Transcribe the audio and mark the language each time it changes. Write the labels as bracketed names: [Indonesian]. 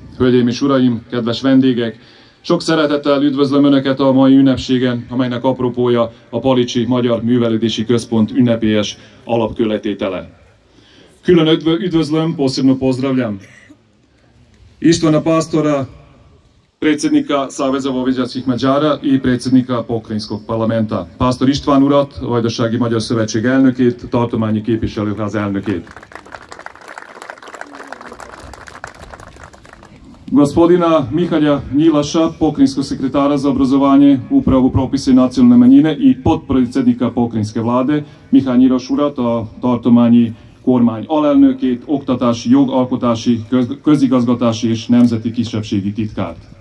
[Hungarian] Hölgyeim és uraim, kedves vendégek, sok szeretettel üdvözlöm Önöket a mai ünnepségen, amelynek apropója a Palicsi Magyar Művelődési Központ ünnepélyes alapkőletétele. Külön üdvözlöm, [Serbian] posebno pozdravljam Istvana Pastora, predsjednika Saveza Vojvođanskih Mađara i predsjednika Pokrajinskog parlamenta. [Hungarian] Pastor Istvan Urat, Vajdasági Magyar Szövetség elnökét, tartományi képviselőház elnökét. [Serbian] Gospodina [Hungarian] Mihalja Njilaša, pokrajinskog sekretara za obrazovanje, upravu propise nacionalne manjine i potpredsjednika pokrajinske vlade, Mihalja Njilaša Urata, tartományi kormány alelnökét, oktatási, jogalkotási, közigazgatási és nemzeti kisebbségi titkárt.